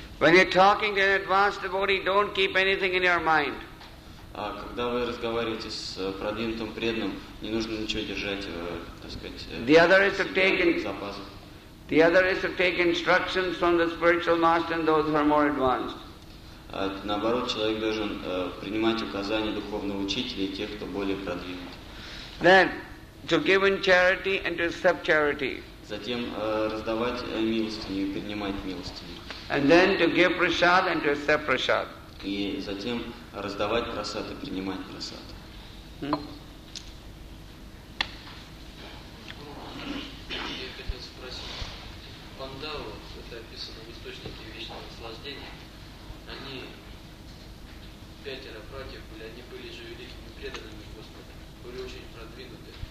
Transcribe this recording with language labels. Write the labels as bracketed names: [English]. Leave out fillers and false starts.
[English] When you're talking to an advanced devotee, don't keep anything in your mind. [Russian] Когда вы разговариваете с продвинутым преданным, не нужно ничего держать, так сказать, [English] the other is to take [Russian] запасы. [English] The other is to take instructions from the spiritual master and those who are more advanced. [Russian] Наоборот, человек должен принимать указания духовного учителя и тех, кто более продвинут. [English] Then, to give in charity and to accept charity. [Russian] Затем раздавать милостыню и принимать милостыню. [English] And then to give prasad and to accept prasad. [Russian] И затем раздавать прасад и принимать прасад. Я хотел спросить. Пандавы, это описано в источнике вечного наслаждения, они, пятеро братьев были, они были же великими преданными Господа, были очень продвинуты.